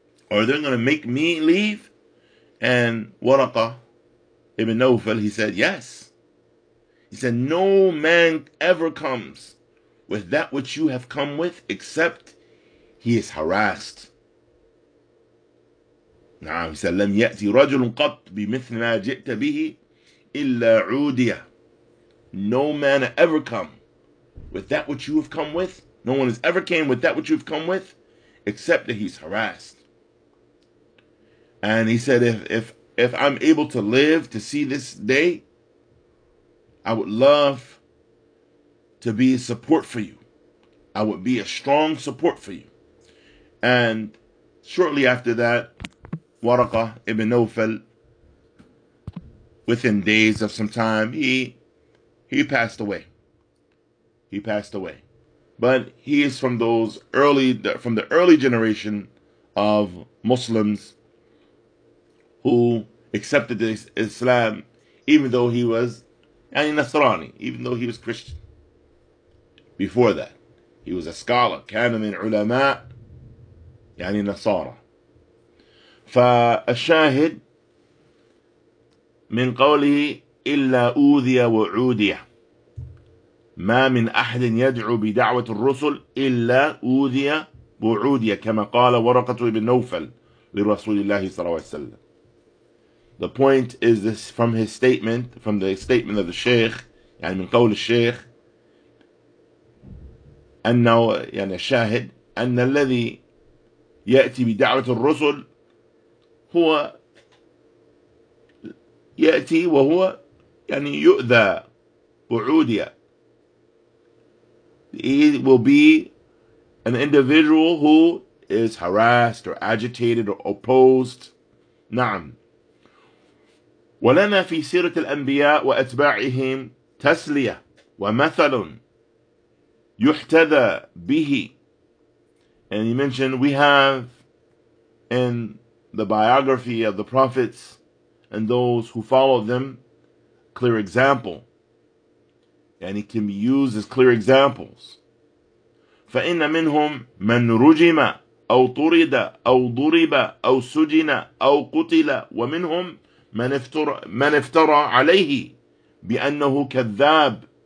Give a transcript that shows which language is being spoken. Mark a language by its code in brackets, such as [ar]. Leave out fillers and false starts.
[en] Are they going to make me leave? And Waraqa ibn Nawfal, he said, "Yes." He said, "No man ever comes with that which you have come with, except he is harassed." Now he said, [ar] "لم يأتي رجل قط بمثل ما جئت به إلا عوديا." [en] No man ever come with that which you have come with. No one has ever came with that which you've come with, except that he's harassed. And he said, if I'm able to live to see this day, I would love to be a support for you. I would be a strong support for you." And shortly after that, Waraqa ibn Nawfal, within days of some time, he passed away. He passed away. But he is from those early, from the early generation of Muslims who accepted the Islam, even though he was Nasrani, even though he was Christian. Before that, he was a scholar, [ar] كان من علماء يعني نصارى. فالشاهد من قوله إلا أوذي وعوديا. ما من أحد يدعو بدعوة الرسل إلا أوذي بوعودية كما قال ورقة ابن نوفل لرسول الله صلى الله عليه وسلم. [en] The point is this, from his statement, from the statement of the Sheikh, [ar] يعني من قول الشيخ, أنه يعني الشاهد أن الذي يأتي بدعوة الرسل هو يأتي وهو يعني يؤذى بوعودية. [en] He will be an individual who is harassed or agitated or opposed. [ar] نعم. ولنا في سيرة الأنبياء وأتباعهم تسلية ومثل يحتذى به. [en] And he mentioned, we have in the biography of the prophets and those who follow them clear example. And it can be used as clear examples. [ar] فَإِنَّ مِنْهُمْ مَنْ رُجِمَ أَوْ طُرِدَ أَوْ ضُرِبَ أَوْ سُجِنَ أَوْ قُتِلَ وَمِنْهُمْ مَنْ افْتَرَى عَلَيْهِ بِأَنَّهُ كَذَّاب